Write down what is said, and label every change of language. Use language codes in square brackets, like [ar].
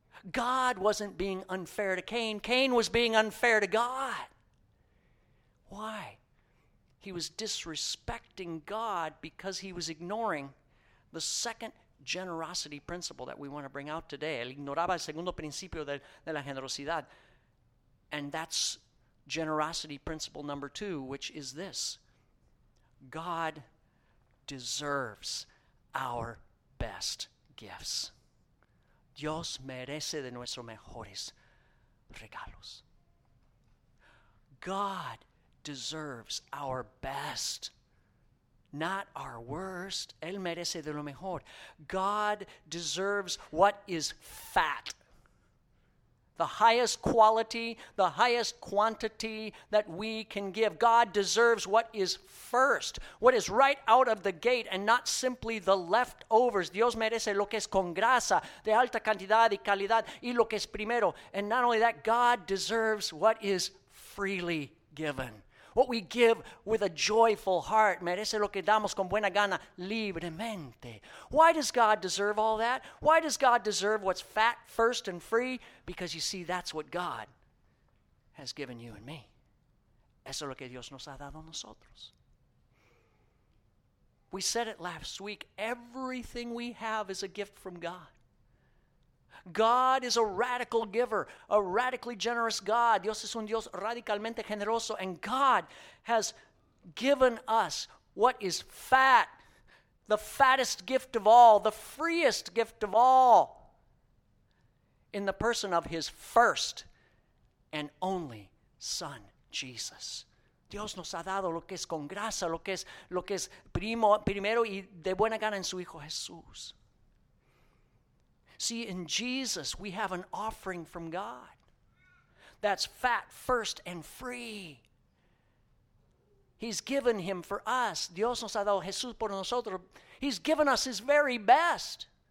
[en] God wasn't being unfair to Cain. Cain was being unfair to God. Why? He was disrespecting God because he was ignoring the second generosity principle that we want to bring out today. [es] Él ignoraba el segundo principio de la generosidad. [en] And that's generosity principle number two, which is this. God deserves our best gifts. [es] Dios merece de nuestros mejores regalos. [en] God deserves our best, not our worst. [es] Él merece de lo mejor. [en] God deserves what is fat, the highest quality, the highest quantity that we can give. God deserves what is first, what is right out of the gate, and not simply the leftovers. [es] Dios merece lo que es con grasa, de alta cantidad y calidad, y lo que es primero. [en] And not only that, God deserves what is freely given. What we give with a joyful heart. [es] Merece lo que damos con buena gana, libremente. [en] Why does God deserve all that? Why does God deserve what's fat, first, and free? Because you see, that's what God has given you and me. [es] Eso es lo que Dios nos ha dado a nosotros. [en] We said it last week. Everything we have is a gift from God. God is a radical giver, a radically generous God. [es] Dios es un Dios radicalmente generoso. [en] And God has given us what is fat, the fattest gift of all, the freest gift of all, in the person of his first and only Son, Jesus. [es] Dios nos ha dado lo que es con grasa, lo que es primero y de buena gana en su Hijo Jesús. [en] See, in Jesus, we have an offering from God that's fat, first, and free. He's given him for us. [es] Dios nos ha dado Jesús por nosotros. [en] He's given us his very best.